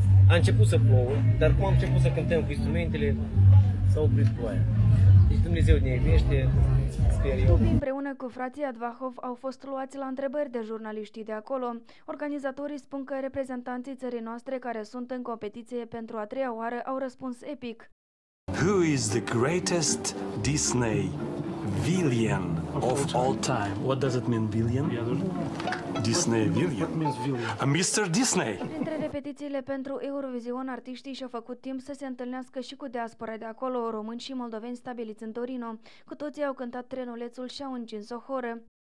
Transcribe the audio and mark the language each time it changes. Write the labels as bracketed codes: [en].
[ro] A început să plouă, dar cum am început să cântăm cu instrumentele, s-a oprit ploaia. Deci Dumnezeu ne iubește, sper eu. Împreună cu frații Dvahov au fost luați la întrebări de jurnaliștii de acolo. Organizatorii spun că reprezentanții țării noastre care sunt în competiție pentru a treia oară au răspuns epic. [en] Who is the greatest Disney villain of all time? What does it mean, villain? Disney villain. What means villain? Mr. Disney. [ro] Între repetițiile pentru Eurovision, artiștii și-au făcut timp să se întâlnească și cu diaspora de acolo, români și moldoveni stabiliți în Torino. Cu toții au cântat Trenulețul și au încins o horă.